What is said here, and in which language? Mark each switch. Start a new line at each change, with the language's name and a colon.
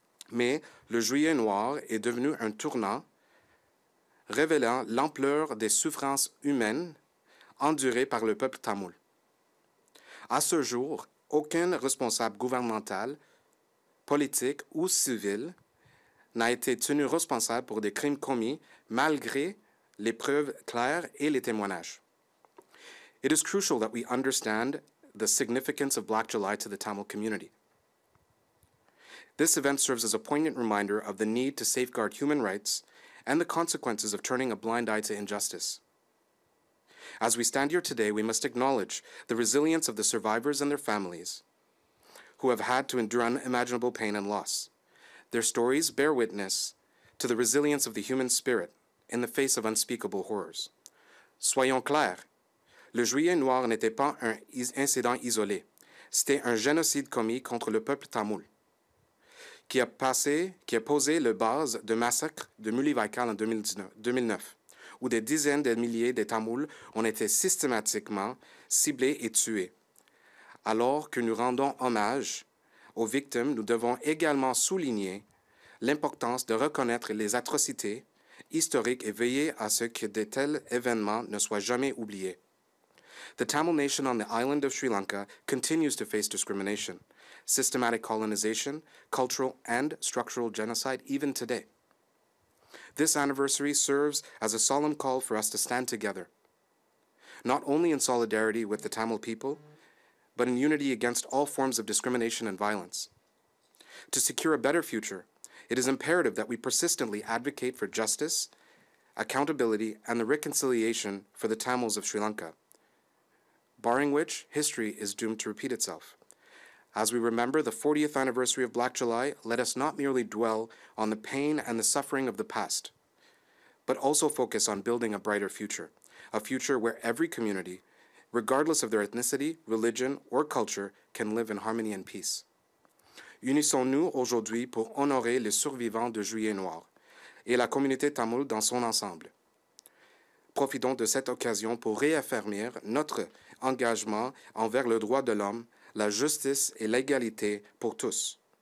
French: Mais le juillet noir est devenu un tournant révélant l'ampleur des souffrances humaines endurées par le peuple tamoul. À ce jour, aucun responsable gouvernemental, politique ou civil n'a été tenu responsable pour des crimes commis malgré les preuves claires et les témoignages.
English: It is crucial that we understand the significance of Black July to the Tamil community. This event serves as a poignant reminder of the need to safeguard human rights and the consequences of turning a blind eye to injustice. As we stand here today, we must acknowledge the resilience of the survivors and their families who have had to endure unimaginable pain and loss. Their stories bear witness to the resilience of the human spirit in the face of unspeakable horrors.
French: Soyons clairs, le juillet noir n'était pas un incident isolé. C'était un génocide commis contre le peuple tamoul. Qui a posé le base de massacre de Mulivaikal en 2009, où des dizaines de milliers de Tamouls ont été systématiquement ciblés et tués. Alors que nous rendons hommage aux victimes, nous devons également souligner l'importance de reconnaître les atrocités historiques et veiller à ce que de tels événements ne soient jamais oubliés.
English: The Tamil nation on the island of Sri Lanka continues to face discrimination, systematic colonization, cultural and structural genocide even today. This anniversary serves as a solemn call for us to stand together, not only in solidarity with the Tamil people, but in unity against all forms of discrimination and violence. To secure a better future, it is imperative that we persistently advocate for justice, accountability, and the reconciliation for the Tamils of Sri Lanka, barring which history is doomed to repeat itself. As we remember the 40th anniversary of Black July, let us not merely dwell on the pain and the suffering of the past, but also focus on building a brighter future, a future where every community, regardless of their ethnicity, religion, or culture, can live in harmony and peace.
French: Unissons-nous aujourd'hui pour honorer les survivants de Juillet Noir et la communauté tamoule dans son ensemble. Profitons de cette occasion pour réaffirmer notre engagement envers le droit de l'homme, la justice et l'égalité pour tous.